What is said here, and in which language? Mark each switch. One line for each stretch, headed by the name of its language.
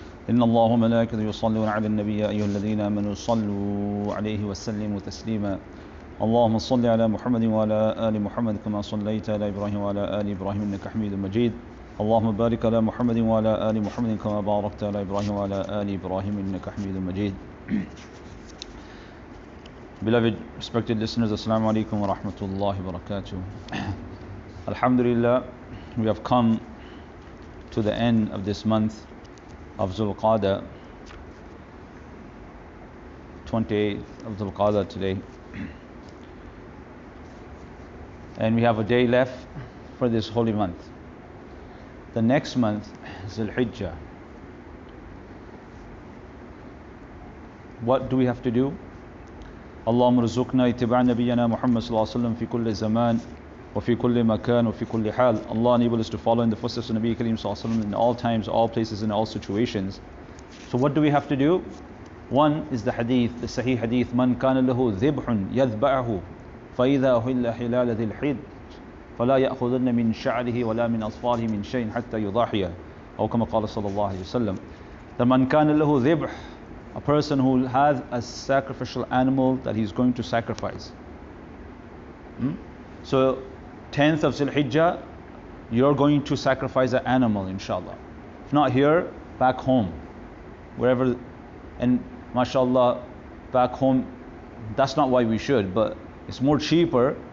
Arabic: إن الله وملائكته يصلون على النبي يا أيها الذين آمنوا صلوا عليه وسلموا تسليما اللهم صل على محمد وعلى آل محمد كما صليت على إبراهيم وعلى آل إبراهيم إنك حميد مجيد اللهم بارك على محمد وعلى آل محمد كما باركت على إبراهيم وعلى آل إبراهيم إنك حميد مجيد
English: Beloved respected listeners,
Arabic: Assalamu alaikum wa rahmatullahi wa barakatuh.
English: Alhamdulillah, we have come to the end of this month of Dhulqa'dah, 28th of Dhulqa'dah today. And we have a day left for this holy month. The next month is Dhul-Hijjah. What do we have to do?
Arabic: اللهم ارزقنا اتباع نبينا محمد صلى الله عليه وسلم في كل زمان وفي كل مكان وفي كل حال.
English: Allah enable us to follow in the footsteps of Nabi Kareem صلى الله عليه وسلم in all times, all places, in all situations. So what do we have to do? One is the hadith, the sahih hadith.
Arabic: من كان له ذبح يذبعه فإذا أهل حلال ذي الحج فلا يأخذن من شعره ولا من أصفاره من شيء حتى يضاحيه. أو كما قال صلى الله عليه وسلم.
English: The
Arabic: من كان له ذبح,
English: a person who has a sacrificial animal that he's going to sacrifice. So 10th of Dhul-Hijjah, you're going to sacrifice an animal, inshallah. If not here, back home, wherever. And mashallah, back home, that's not why we should, but it's more cheaper.